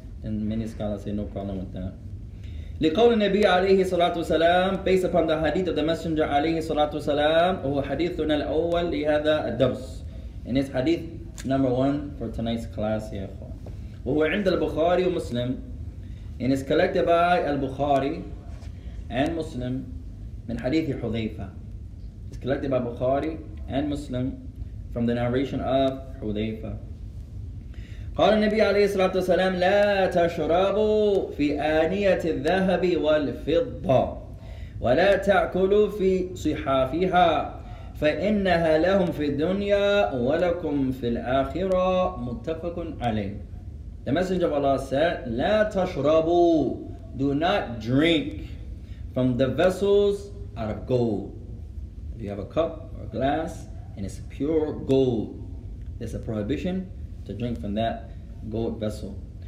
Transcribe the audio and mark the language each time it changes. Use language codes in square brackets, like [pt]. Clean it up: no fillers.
[en] And many scholars say no problem with that. [ar] لِقَوْلِ النَّبِيِّ عَلَيْهِ الصَّلَاةُ وَسَلَامُ [en] based upon the hadith of the Messenger [ar] عَلَيْهِ الصَّلَاةُ وَسَلَامُ هُوَ حَدِيثُنَا الْأَوَّلِ لِهَذَا الدَّرْسِ [en] and it's hadith number one for tonight's class here. [ar] وَهُوَ عِنْدَ الْبُخَارِ وَمُسْلِمِ [en] and it's collected by Al-Bukhari and Muslim [ar] مِنْ حَدِيثِ حُذَيْفَة [en] it's collected by Bukhari and Muslim from the narration of Hudhayfa. [ar] قال النبي عليه الصلاة والسلام لا تشربوا في آنية الذهب والفضة ولا تأكلوا في صحافها فإنها لهم في الدنيا ولكم في الآخرة متفق عليه. [en] The Messenger of Allah said [ar] لا تشربوا [en] do not drink from the vessels out of gold. If you have a cup or a glass and it's pure gold, there's a prohibition to drink from that gold vessel.